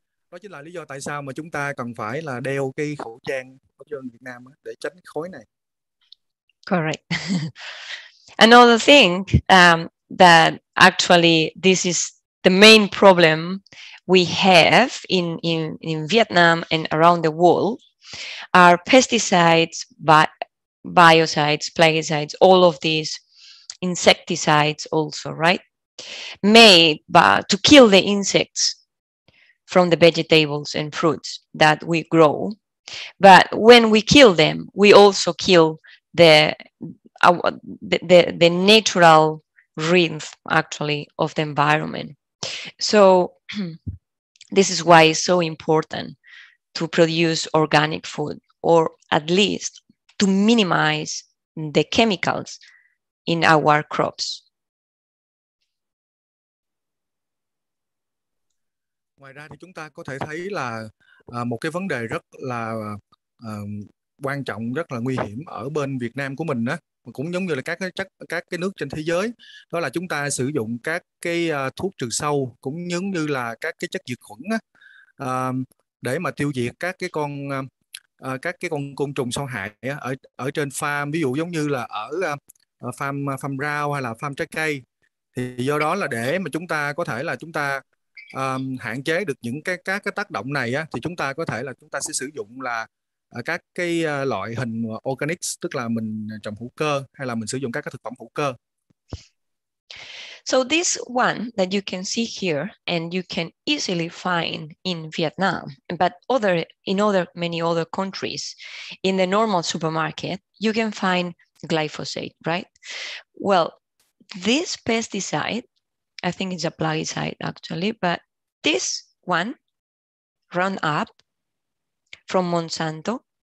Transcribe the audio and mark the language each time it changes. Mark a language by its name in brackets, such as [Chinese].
[Vietnamese] đó chính là lý do tại sao mà chúng ta cần phải là đeo cái khẩu trang ở trên Việt Nam để tránh khói này. [English] Correct. Another thing that actually this is the main problem we have in Vietnam and around the world are pesticides, biocides, plaguicides, all of these insecticides also, right? Made to kill the insects from the vegetables and fruits that we grow. But when we kill them, we also kill the natural rhythm actually of the environment. So this is why it's so important to produce organic food, or at least to minimize the chemicals in our crops. [Vietnamese] Ngoài ra thì chúng ta có thể thấy là một cái vấn đề rất là quan trọng, rất là nguy hiểm ở bên Việt Nam của mình á, cũng giống như là các cái nước trên thế giới, đó là chúng ta sử dụng các cái thuốc trừ sâu cũng giống như là các cái chất diệt khuẩn á, để mà tiêu diệt các cái con côn trùng sâu hại ở trên farm, ví dụ giống như là ở farm rau hay là farm trái cây. Thì do đó là để mà chúng ta có thể là chúng ta hạn chế được những các cái tác động này á, thì chúng ta có thể là chúng ta sẽ sử dụng là các cái loại hình organic, tức là mình trồng hữu cơ hay là mình sử dụng các cái thực phẩm hữu cơ. [English] So this one that you can see here and you can easily find in Vietnam, but in many other countries, in the normal supermarket, you can find glyphosate, right? Well, this pesticide, I think it's a plaguicide actually, but this one, Roundup from Monsanto.